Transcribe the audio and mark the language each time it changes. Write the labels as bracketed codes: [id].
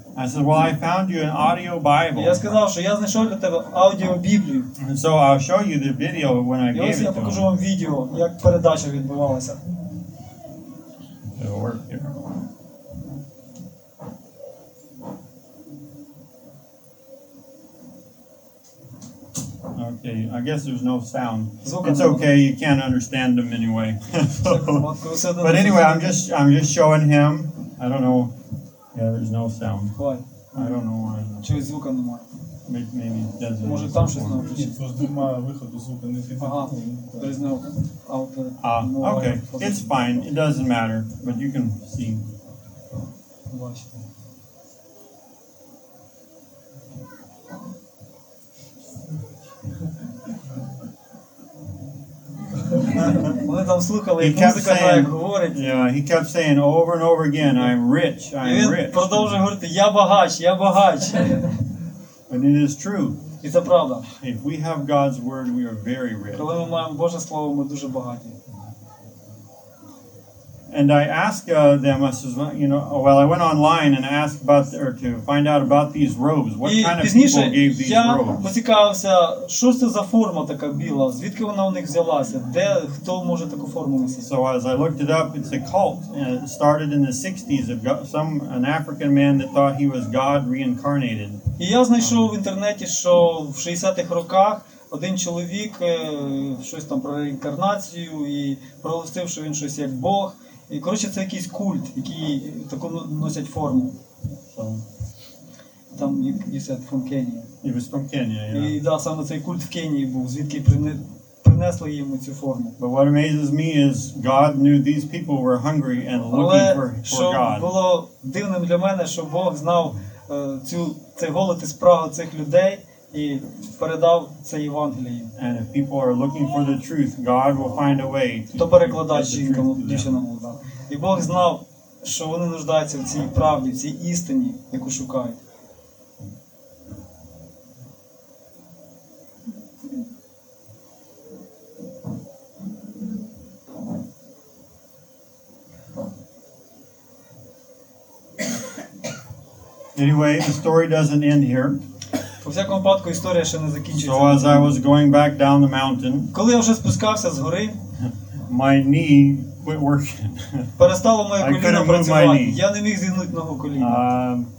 [en] I said, "Well, I found you an audio Bible." [uk] Я сказав, що я знайшов для тебе аудіобіблію. [en] So I'll show you the video when I gave it to him. [uk] Я покажу вам відео, як передача відбувалася. [en] It'll work here. Okay, I guess there's no sound. It's okay, you can't understand them anyway. But anyway, I'm just showing him. I don't know. Yeah, there's no sound. Why? I don't know why. [uk] Чого звука немає? [en] Maybe it doesn't. [uk] Може там щось не виходить. Тож немає виходу звука, не фіга. [en] Ага. There's no out. Okay. It's fine. It doesn't matter, but you can see. [uk] Вони там слухали, як музика грає, як говорить. [en] Yeah, he kept saying over and over again, I'm rich, I'm rich. [uk] І він продовжує говорити, я багач, я багач. [en] And it is true. [uk] І це правда. [en] If we have God's word, we are very rich. [uk] Коли ми маємо Боже слово, ми дуже багаті. [en] And I asked them, I says, you know, well, I went online and asked about or to find out about these robes. What kind of people gave these robes? [uk] Я поцікавився, що це за форма така біла, звідки вона у них взялася, де хто може таку форму носити? [en] So as I looked it up, it's a cult. It started in the 60s of an African man that thought he was God reincarnated. [uk] І я знайшов в інтернеті, що в 60-х роках один чоловік щось там про реінкарнацію і проголосив, що він щось як Бог. І, коротше, це якийсь культ, який таку носять форму. Там, [en] you said, from Kenya. It was from Kenya, yeah. [uk] І, да, саме цей культ в Кенії був, звідки принесли йому цю форму. [en] But what amazes me is God knew these people were hungry and looking for God. [uk] Але, що було дивним для мене, що Бог знав цей голод і спрагу цих людей і передав це Євангеліє. [en] And if people are looking for the truth, God will find a way to get the truth. [uk] То перекладав жінкому, дівчинному. І Бог знав, що вони нуждаються в цій правді, в цій істині, яку шукають. [en] Anyway, the story doesn't end here. [uk] У всякому випадку, історія ще не закінчиться. [en] So as I was going back down the mountain, [uk] коли я вже спускався з гори, [en] my knee quit working. [uk] Перестало моє коліно працювати. Я не міг зігнути ногу коліна.